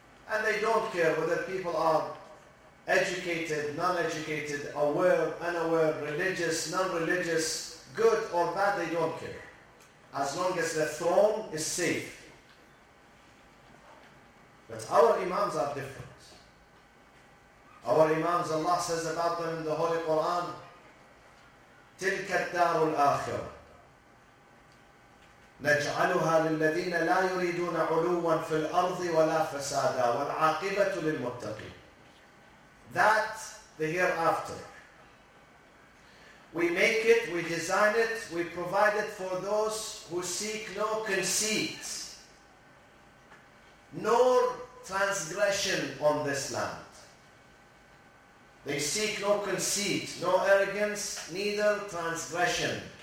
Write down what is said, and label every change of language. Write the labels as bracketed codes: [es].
[en] And they don't care whether people are educated, non-educated, aware, unaware, religious, non-religious, good or bad, they don't care. As long as the throne is safe. But our imams are different. Our imams, Allah says about them in the Holy Quran, [ar] تِلْكَ الدَّارُ الْآخِرَةِ نَجْعَلُهَا لِلَّذِينَ لَا يُرِيدُونَ عُلُوًا فِي الْأَرْضِ وَلَا فَسَادًا وَالْعَاقِبَةُ لِلْمُتَّقِينَ. [en] That, the hereafter. We make it, we design it, we provide it for those who seek no conceit, nor transgression on this land. They seek no conceit, no arrogance, neither transgression.